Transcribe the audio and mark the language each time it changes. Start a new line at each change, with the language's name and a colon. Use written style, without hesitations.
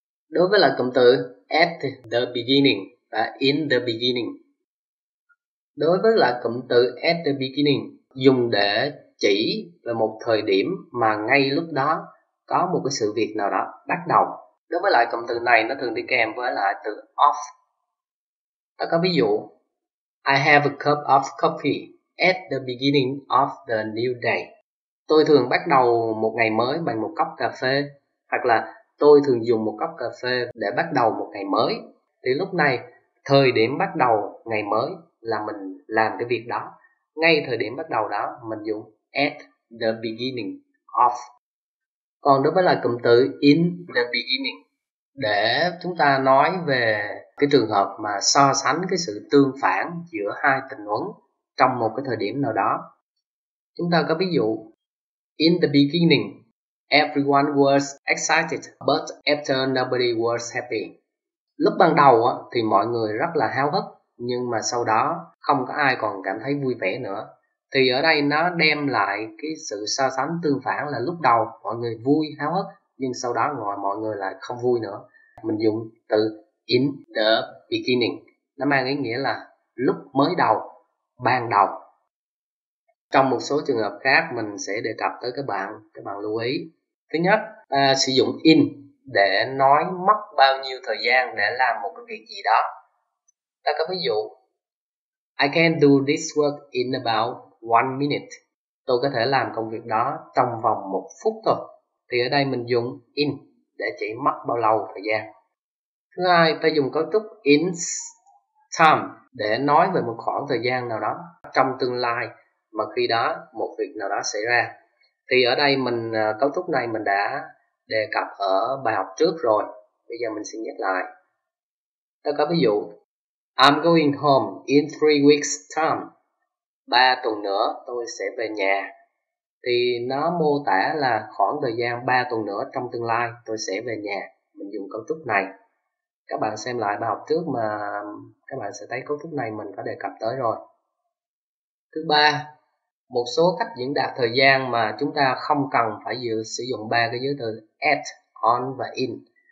Vietnamese: Đối với lại cụm từ
English: at the beginning
Vietnamese: và
English: in the beginning.
Vietnamese: Đối với lại cụm từ
English: at the beginning
Vietnamese: dùng để chỉ về một thời điểm mà ngay lúc đó có một cái sự việc nào đó bắt đầu. Đối với lại cụm từ này nó thường đi kèm với lại từ off. Ta có ví dụ,
English: I have a cup of coffee at the beginning of the new day.
Vietnamese: Tôi thường bắt đầu một ngày mới bằng một cốc cà phê. Hoặc là tôi thường dùng một cốc cà phê để bắt đầu một ngày mới. Thì lúc này thời điểm bắt đầu ngày mới là mình làm cái việc đó. Ngay thời điểm bắt đầu đó mình dùng
English: at the beginning of.
Vietnamese: Còn đối với lại cụm từ
English: in the beginning
Vietnamese: để chúng ta nói về cái trường hợp mà so sánh cái sự tương phản giữa hai tình huống trong một cái thời điểm nào đó. Chúng ta có ví dụ,
English: in the beginning everyone was excited but after nobody was happy.
Vietnamese: Lúc ban đầu thì mọi người rất là háo hức, nhưng mà sau đó không có ai còn cảm thấy vui vẻ nữa. Thì ở đây nó đem lại cái sự so sánh tương phản là lúc đầu mọi người vui háo hức, nhưng sau đó ngồi mọi người lại không vui nữa. Mình dùng từ
English: in the beginning,
Vietnamese: nó mang ý nghĩa là lúc mới đầu, ban đầu. Trong một số trường hợp khác mình sẽ đề cập tới các bạn lưu ý. Thứ nhất, ta sử dụng in để nói mất bao nhiêu thời gian để làm một cái việc gì đó. Ta có ví dụ,
English: I can do this work in about 1 minute.
Vietnamese: Tôi có thể làm công việc đó trong vòng 1 phút thôi. Thì ở đây mình dùng in để chỉ mất bao lâu thời gian. Thứ hai, ta dùng cấu trúc
English: in time
Vietnamese: để nói về một khoảng thời gian nào đó trong tương lai mà khi đó một việc nào đó xảy ra. Thì ở đây mình cấu trúc này mình đã đề cập ở bài học trước rồi. Bây giờ mình sẽ nhắc lại. Ta có ví dụ,
English: I'm going home in 3 weeks time.
Vietnamese: 3 tuần nữa tôi sẽ về nhà. Thì nó mô tả là khoảng thời gian 3 tuần nữa trong tương lai tôi sẽ về nhà. Mình dùng cấu trúc này. Các bạn xem lại bài học trước mà các bạn sẽ thấy cấu trúc này mình có đề cập tới rồi. Thứ ba, một số cách diễn đạt thời gian mà chúng ta không cần phải sử dụng 3 cái giới từ at, on và in.